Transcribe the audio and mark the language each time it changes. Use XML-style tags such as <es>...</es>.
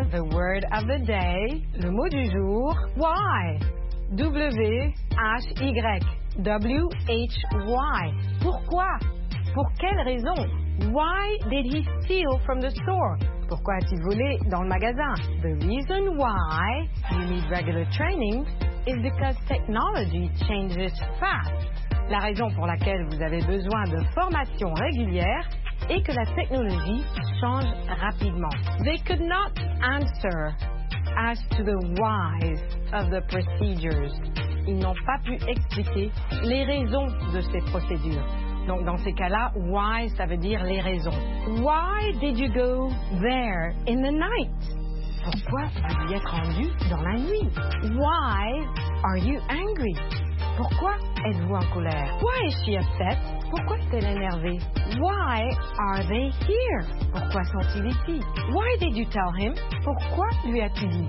<en>The word of the day,</en> <fr>le mot du jour,</fr> <en>why?</en> <fr>W-H-Y. Pourquoi? Pour quelle raison?</fr> <en>Why did he steal from the store?</en> <fr>Pourquoi a-t-il volé dans le magasin?</fr> <en>The reason why you need regular training is because technology changes fast.</en> <fr>La raison pour laquelle vous avez besoin de formation régulière est que la technologie change rapidement.</fr> <en>They could not answer as to the whys of the procedures.</en> <fr>Ils n'ont pas pu expliquer les raisons de ces procédures. Donc, dans ces cas-là, why, ça veut dire les raisons.</fr> <en>Why did you go there in the night?</en> <fr>Pourquoi as-tu été rendu dans la nuit?</fr> <en>Why are you angry?</en> <fr>Pourquoi êtes-vous en colère?</fr> <en>Why is she upset?</en> <fr>Pourquoi est-elle énervée?</fr> <en>Why are they here?</en> <fr>Pourquoi sont-ils ici?</fr> <en>Why did you tell him?</en> <fr>Pourquoi lui as-tu dit?</fr>